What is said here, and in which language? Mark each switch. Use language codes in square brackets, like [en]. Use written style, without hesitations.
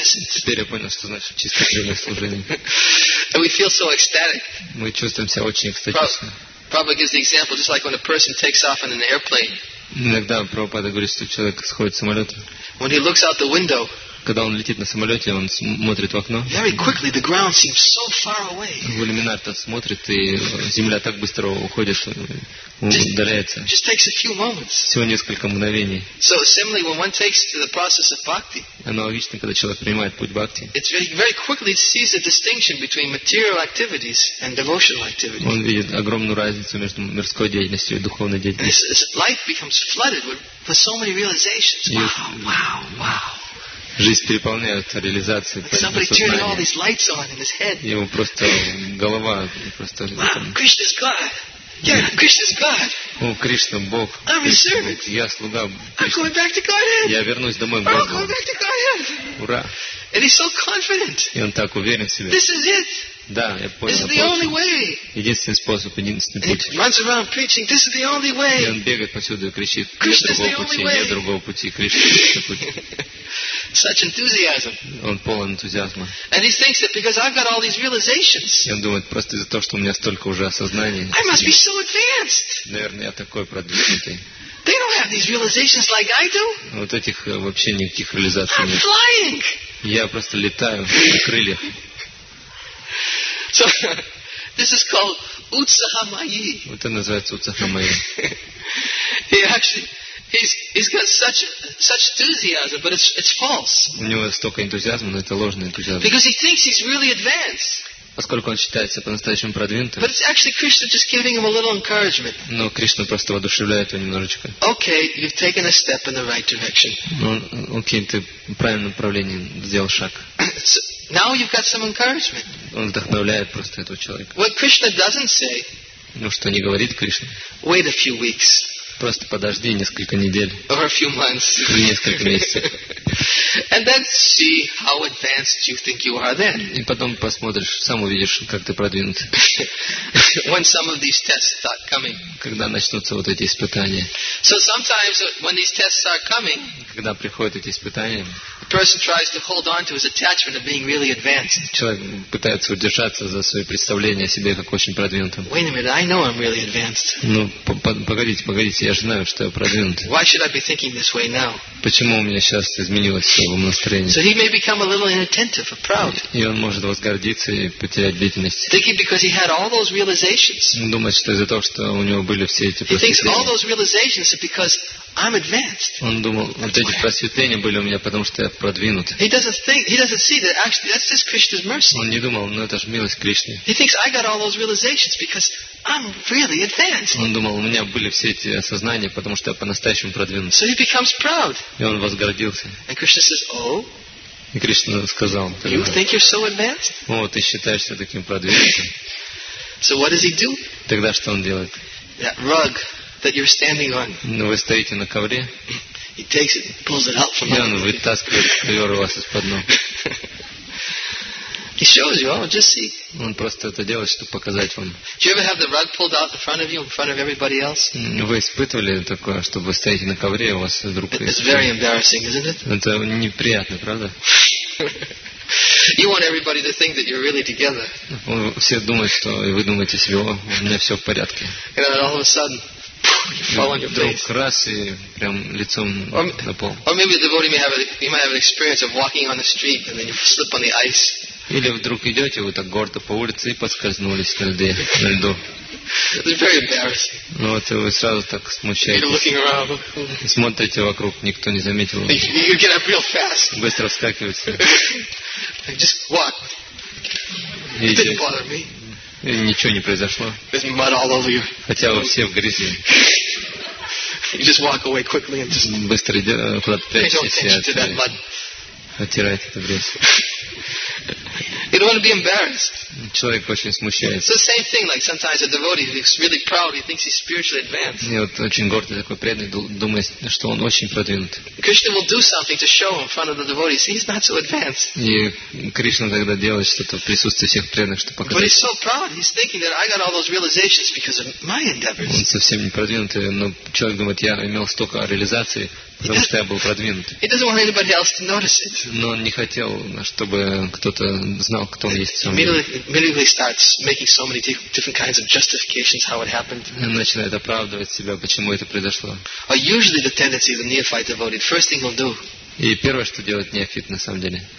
[ru] Теперь я понял, что значит чистое преданное служение. [en] And we feel so ecstatic. [ru] Мы чувствуем себя очень экстатично. [en] Prabhupada gives the example, just like when a person takes off in an airplane. [ru] Иногда Прабхупада говорит, что человек сходит с самолета. [en] When he looks out the window. [ru] Когда он летит на самолете, он смотрит в окно. [en] Very quickly the ground seems so far away. [ru] В иллюминатор то смотрит, и земля так быстро уходит, что удаляется. [en] Just takes a few moments. [ru] Всего несколько мгновений. [en] So similarly, when one takes to the process of bhakti. [ru] Аналогично, когда человек принимает путь бхакти. [en] It's very, very quickly sees the distinction between material activities and devotional activities. [ru] Он видит огромную разницу между мирской деятельностью и духовной деятельностью. [en] His life becomes flooded with so many realizations. Wow, wow, wow. [ru] Жизнь переполняется реализацией. [en] Somebody turning all these lights on in his head. [ru] Ему просто голова просто. [en] Krishna's God. Yeah, Krishna's God. [ru] О, Кришна Бог. [en] I'm his servant. [ru] Я слуга. [en] I'm going back to Godhead. [ru] Я вернусь домой. [en] I'm going back to Godhead. [ru] Ура. [en] And he's so confident. [ru] И он так уверен в себе. [en] This is it. [ru] Да, я понял. [en] This is the only way. [ru] Единственный способ, единственный путь. [en] He runs around preaching, this is the only way. [ru] И он бегает повсюду и кричит, нет другого пути, нет другого пути, Кришна — это путь. [en] Such enthusiasm. [ru] Он полон энтузиазма. [en] And he thinks that because I've got all these realizations. [ru] И он думает, просто из-за того, что у меня столько уже осознаний. [en] I must be so advanced. [ru] Наверное, я такой продвинутый. [en] They don't have these realizations like I do. [ru] Вот этих вообще никаких реализаций нет. [en] I'm flying. [ru] Я просто летаю на крыльях. [en] So, this is called Utsahamayi. [ru] Это называется Utsahamayi. [en] He actually, he's got such enthusiasm, but it's false. [ru] У него столько энтузиазма, но это ложный энтузиазм. [en] Because he thinks he's really advanced. [ru] Поскольку он считается по-настоящему продвинутым. [en] But it's actually Krishna just giving him a little encouragement. [ru] Но Кришна просто воодушевляет его немножечко. [en] Okay, you've taken a step in the right direction. [ru] Ну, окей, ты в правильном направлении сделал шаг. [en] So, now you've got some encouragement. [ru] Он вдохновляет просто этого человека. [en] What Krishna doesn't say. [ru] Ну, что не говорит Кришна. [en] Wait a few weeks. [ru] Просто подожди несколько недель. [en] Or a few months. [ru] Несколько месяцев. [en] And then see how advanced you think you are then. [ru] И потом посмотришь, сам увидишь, как ты продвинут. [en] When some of these tests start coming. [ru] Когда начнутся вот эти испытания. [en] So sometimes when these tests are coming. [ru] Когда приходят эти испытания. [en] A person tries to hold on to his attachment of being really advanced. [ru] Человек пытается удержаться за свое представление о себе как очень продвинутом. [en] Wait a minute, I know I'm really advanced. [ru] Ну, погодите, погодите, я же знаю, что я продвинут. [en] Why should I be thinking this way now? [ru] Почему у меня сейчас изменилось в его настроении? [en] So he may become a little inattentive or proud. [ru] И он может возгордиться и потерять бдительность. [en] Thinking because he had all those realizations. [ru] Думать, что из-за того, что у него были все эти просветления. [en] He thinks all those realizations are because I'm advanced. [ru] Он думал, вот эти просветления были у меня, потому что я продвинут. [en] He doesn't think, he doesn't see that actually that's just Krishna's mercy. [ru] Он не думал, ну это же милость Кришны. [en] He thinks I got all those realizations because I'm really advanced. [ru] Он думал, у меня были все эти осознания, потому что я по-настоящему продвинут. [en] So he becomes proud. [ru] И он возгордился. [en] And Krishna says, "Oh." [ru] И Кришна сказал, [en] "You think you're so advanced?" [ru] О, ты считаешься таким продвинутым. [en] So what does he do? [ru] Тогда что он делает? [en] That rug that you're standing on. [ru] Ну, вы стоите на ковре. [en] He takes it, pulls it out from under. [ru] И он вытаскивает ковер у вас из-под ног. [en] He shows you, oh, just see. [ru] Он просто это делает, чтобы показать вам. [en] Do you ever have the rug pulled out in front of you, in front of everybody else? [ru] Вы испытывали такое, чтобы вы стоите на ковре, у вас вдруг... [en] It's very embarrassing, isn't it? [ru] Это неприятно, правда? [en] You want everybody to think that you're really together. [ru] Все думают, что вы думаете себе, о, у меня все в порядке. [en] And then all of a sudden, you fall on your [ru] вдруг [en] face. [ru] Раз и прям лицом на пол. [en] Or maybe the devotee may have an experience of walking on the street and then you slip on the ice. [ru] Или вдруг идете вы так гордо по улице и поскользнулись на льде, на льду. [en] It's very embarrassing. [ru] Ну вот вы сразу так смущаетесь. [en] You're looking around. [ru] Смотрите вокруг, никто не заметил. [en] You get up real fast. [ru] Быстро вскакиваете. [en] I just walk. It didn't bother me. [ru] И ничего не произошло. [en] There's mud all over you. [ru] Хотя вы все в грязи. [en] You just walk away quickly and just. [ru] Быстро куда-то прячетесь. [en] Pay attention to that mud. [ru] Оттирает эту грязь. [en] You don't want to be embarrassed. [ru] Человек очень смущается. [en] It's the same thing, like sometimes a devotee who's really proud, he thinks he's spiritually advanced. [ru] И вот очень гордый такой преданный думает, что он очень продвинут. [en] Krishna will do something to show in front of the devotee, see, he's not so advanced. [ru] И Кришна тогда делает что-то в присутствии всех преданных, чтобы показать. [en] But he's so proud, he's thinking that I got all those realizations because of my endeavors. [ru] Он совсем не продвинутый, но человек думает, я имел столько реализаций, потому что я был продвинут. [en] He doesn't want anybody else to notice it. [ru] Но он не хотел, чтобы кто-то знал, кто он есть. [en] Immediately starts making so many different kinds of justifications how it happened. [ru] Он начинает оправдывать себя, почему это произошло. [en] Or usually the tendency of the neophyte devotee, first thing he'll do. [ru] И первое, что делает неофит на самом деле.